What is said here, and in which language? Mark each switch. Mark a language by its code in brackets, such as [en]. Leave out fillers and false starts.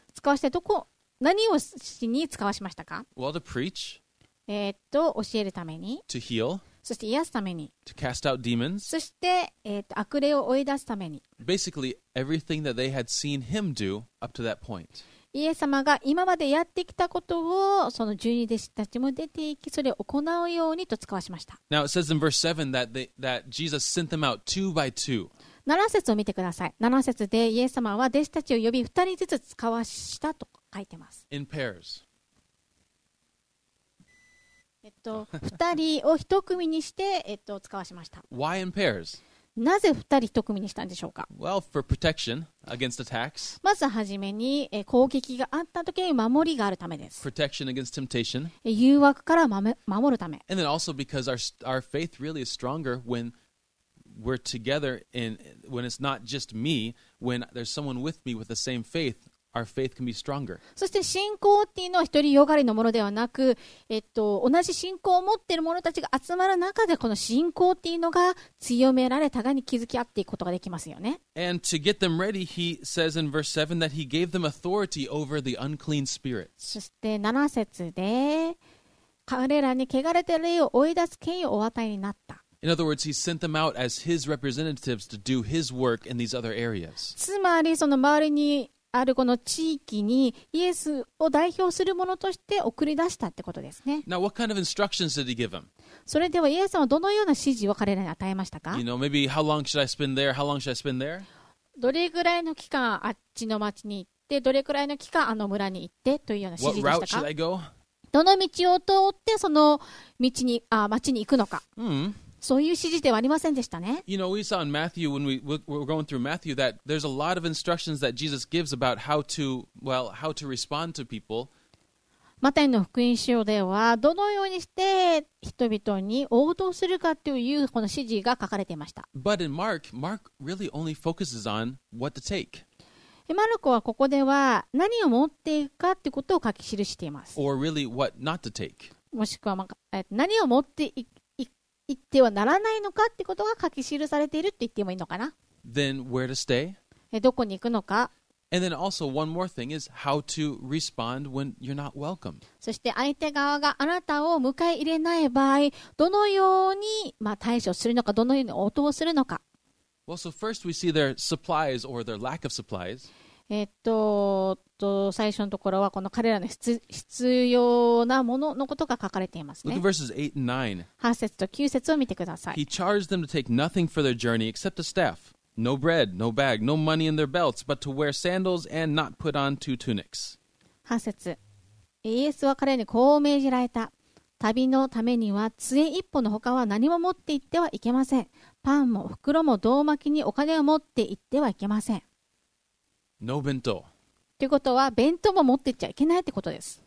[ja] 使わしてどこ、何をしに使わしましたか? [en] Well, to preach. [ja] 教えるために。 [en] To heal. [ja] そして癒すために。 [en] To cast out demons. [ja] そして、悪霊を追い出すために。 [en] Basically, everything that they had seen him do up to that point. [ja] イエス様が今までやってきたことをその十二弟子たちも出ていき、それを行うようにと使わしました。 [en] Now it says in verse 7 that Jesus sent them out two by two. [ja] 7節を見てください。 7節でイエス様は弟子たちを呼び、2人ずつ使わしたと書いてます。 [en] In pairs. [ja] 2人を一組にして、使わしました。 [en] Why in pairs? [ja] なぜ2人一組にしたんでしょうか? [en] Well, for protection against attacks. [ja] まずはじめに、攻撃があった時に守りがあるためです。 [en] Protection against temptation. [ja] 誘惑から守るため。 [en] And then also because our faith really is stronger when we're together and when it's not just me, when there's someone with me with the same faith. Our faith can be stronger. [ja] そして信仰っていうのは独りよがりのものではなく、同じ信仰を持っている者たちが集まる中でこの信仰っていうのが強められ互いに築き合っていくことができますよね。 [en] And to get them ready, he says in verse 7 that he gave them authority over the unclean spirits. [ja] そして7節で彼らに汚れた霊を追い出す権威をお与えになった。 [en] In other words, he sent them out as his representatives to do his work in these other areas. [ja] つまりその周りにあるこの地域にイエスを代表するものとして送り出したってことですね。 [en] Now, what kind of instructions did he give them? [ja] それではイエスはどのような指示を彼らに与えましたか? [en] You know, maybe how long should I spend there? How long should I spend there? [ja] どれぐらいの期間あっちの町に行って、どれくらいの期間あの村に行ってというような指示でしたか? [en] What route should I go? [ja] どの道を通ってその道に、町に行くのか。 Mm-hmm. そういう指示ではありませんでしたね。 [en] You know, we saw in Matthew, when we were going through Matthew, that there's a lot of instructions that Jesus gives about how to respond to people. [ja] マタイの福音書では、どのようにして人々に応答するかというこの指示が書かれていました。 [en] But in Mark, Mark really only focuses on what to take. [ja] マルコはここでは何を持っていくかということを書き記しています。 [en] Or really what not to take. [ja] もしくは、何を持っていく行ってはならないのかってことが書き記されていると言ってもいいのかな [en] Then where to stay? [ja] どこに行くのか [en] And then also one more thing is how to respond when you're not welcome. [ja] そして相手側があなたを迎え入れない場合どのように、対処するのかどのように応答するのか [en] Well, so first we see their supplies or their lack of supplies. [ja] 最初のところはこの彼らの必要なもののことが書かれていますね。 8節と9節を見てください。 [en] He charged them to take nothing for their journey except a staff. No bread, no bag, no money in their belts, but to wear sandals and not put on two tunics. [ja] 8節。イエスは彼にこう命じられた。旅のためには杖一本の他は何も持って行ってはいけません。パンも袋も胴巻きにお金を持って行ってはいけません。 [en] No bento. [ja] ということは弁当も持っていっちゃいけないってことです。